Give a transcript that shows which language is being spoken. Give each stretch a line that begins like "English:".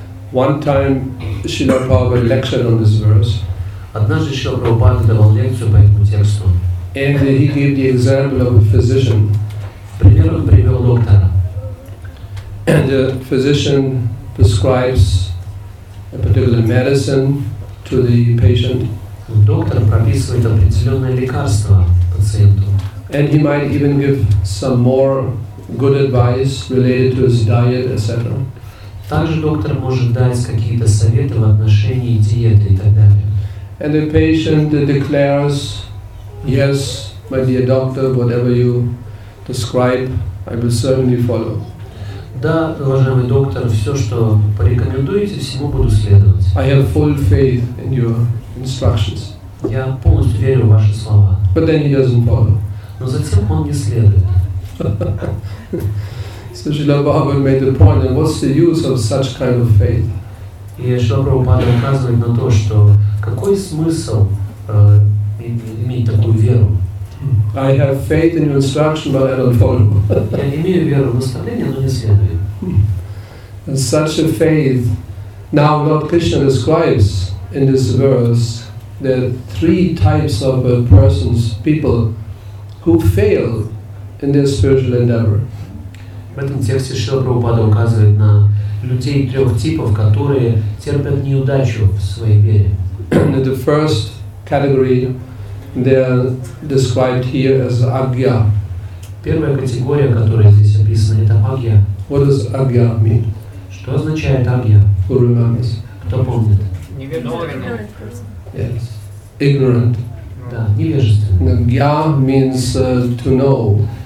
English: One time Srila Prabhupada lectured on this verse.
Russian: Однажды Шрила Прабхупада давал лекцию по этому тексту.
English: And he gave the example of a physician.
Russian: Пример он привел доктора.
English: And the physician prescribes a particular medicine to the patient.
Russian: Доктор прописывает определенное лекарство пациенту.
English: And he might even give some more good advice related to his diet, etc.
Russian: Также доктор может дать какие-то советы в отношении диеты и так далее.
English: And the patient declares, yes, my dear doctor, whatever you describe, I will certainly follow.
Russian: Да, уважаемый доктор, все, что порекомендуете, всему буду следовать.
English: I have full faith in your instructions.
Russian: Я полностью верю в ваши слова.
English: But then he doesn't follow.
Russian: Но затем он не следует.
English: So Srila Prabhupada made the point, and what's the use of such kind of faith?
Russian: И Шрила Прабхупада указывает на то, что какой смысл иметь такую веру?
English: I have faith in your instruction, but I don't follow.
Russian: Я имею веру в наставление, но не следую.
English: And such a faith, now Lord Krishna describes in this verse the three types of persons, people, who fail in their spiritual endeavor.
Russian: В этом тексте Шрила Прабхупада указывает на людей трех типов, которые терпят неудачу в своей вере.
English: The first category, they are described here as agya.
Russian: Первая категория, которая здесь описана, это агья.
English: What does agya mean?
Russian: Что означает агья?
English: Who remembers?
Russian: Кто помнит? Невежественный.
English: Yes. Ignorant.
Russian: Да, невежественный.
English: Agya means to know.